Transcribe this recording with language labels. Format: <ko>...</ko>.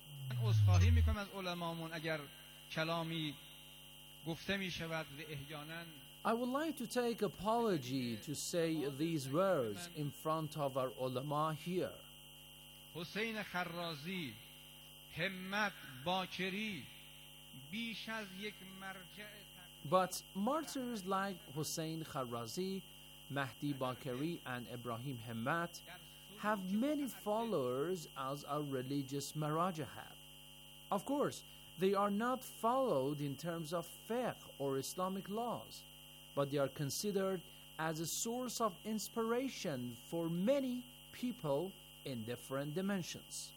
<fa>من عذرخواهی میکنم از علمامون اگر کلامی گفته میشود و احیاناً</fa> <en>I would like to take apology to say these words in front of our ulama here.</en> <fa>حسین خرازی همت باکری بیش از یک مرجع</fa> <en>But martyrs like Hussein Kharrazi, Mahdi Bakiri and Ibrahim Hemmat have many followers as a religious maraja have. Of course, they are not followed in terms of fiqh or Islamic laws, but they are considered as a source of inspiration for many people in different dimensions.</en>